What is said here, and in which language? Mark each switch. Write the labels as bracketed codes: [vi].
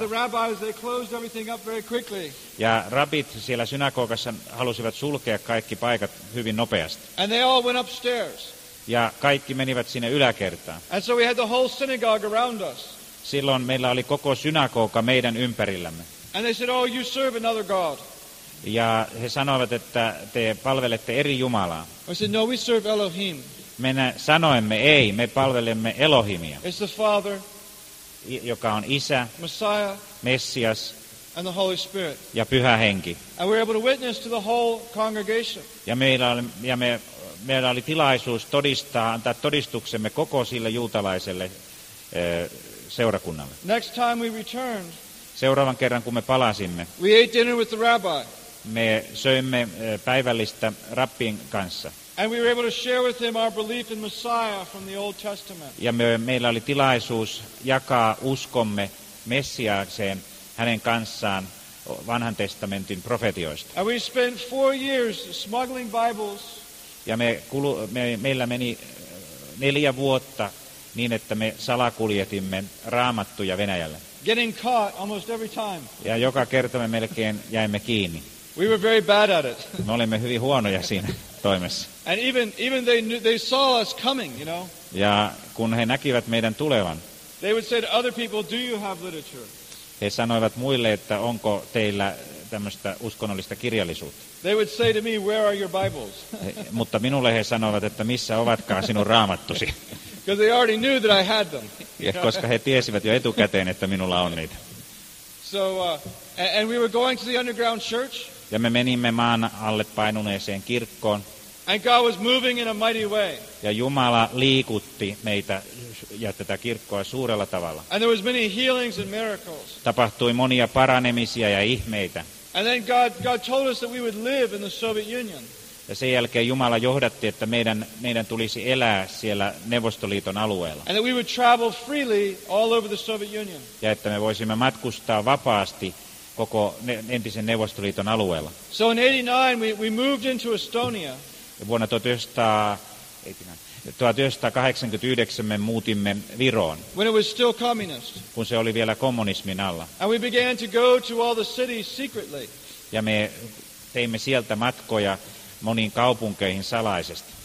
[en] So the rabbis, they closed everything up very quickly. [fi] Ja rabbit siellä synagogassa halusivat sulkea kaikki paikat hyvin nopeasti. [en] And they all went upstairs. [fi] Ja kaikki menivät sinne yläkertaan. [en] And so we had the whole synagogue around us. [fi] Silloin meillä oli koko synagoga meidän ympärillämme. [en] And they said, "Oh, you serve another God." [fi] Ja he sanoivat, että te palvelette eri jumalaa. [en] I said, "No, we serve Elohim." [fi] Me sanoimme, ei, me palvelemme Elohimia. [en] It's the Father, [fi] joka on Isä, [en] Messiah, [fi] Messias, [en] and the Holy Spirit. [fi] Ja Pyhä Henki. [en] And we're able to witness to the whole congregation. [fi] Ja meillä oli tilaisuus todistaa, antaa todistuksemme koko sille juutalaiselle seurakunnalle. [en] Next time we returned. [fi] Seuraavan kerran, kun me palasimme, [en] we ate dinner with the rabbi. [fi] Me söimme päivällistä rabbin kanssa. [en] And we were able to share with him our belief in Messiah from the Old Testament. [fi] Ja meillä oli tilaisuus jakaa uskomme Messiaakseen hänen kanssaan Vanhan testamentin profetioista. [en] And we spent 4 years smuggling Bibles. [fi] Ja meillä meni 4 vuotta niin, että me salakuljetimme Raamattuja Venäjälle. [en] Getting caught almost every time. [fi] Ja joka kerta me melkein jäimme kiinni. [en] We were very bad at it. [fi] Me olimme hyvin huonoja siinä toimessa. [en] And even they saw us coming, you know. [fi] Ja kun he näkivät meidän tulevan. [en] They would say to other people, "Do you have literature?" [fi] He sanoivat muille, että onko teillä tämmöistä uskonnollista kirjallisuutta. [en] They would say to me, "Where are your Bibles?" [fi] Mutta minulle he sanoivat, että missä ovatkaan sinun raamattusi. [en] Because they already knew that I had them. [fi] Ja koska he tiesivät jo etukäteen, että minulla on niitä. [en] So and we were going to the underground church. [fi] Ja me menimme maan alle painuneeseen kirkkoon. [en] And God was moving in a mighty way. [fi] Ja Jumala liikutti meitä ja tätä kirkkoa suurella tavalla. [en] And there was many healings and miracles. [fi] Tapahtui monia paranemisia ja ihmeitä. [en] And then God told us that we would live in the Soviet Union. [fi] Ja sen jälkeen Jumala johdatti, että meidän tulisi elää siellä Neuvostoliiton alueella. [en] And that we would travel freely all over the Soviet Union. [fi] Ja että me voisimme matkustaa vapaasti koko entisen Neuvostoliiton alueella. [en] So in 89 we moved into Estonia. [fi] Ja vuonna 1989 me muutimme Viroon. [en] When it was still communist. [fi] Kun se oli vielä kommunismin alla. [en] And we began to go to all the cities secretly. [fi] Ja me teimme sieltä matkoja moniin kaupunkeihin salaisesti.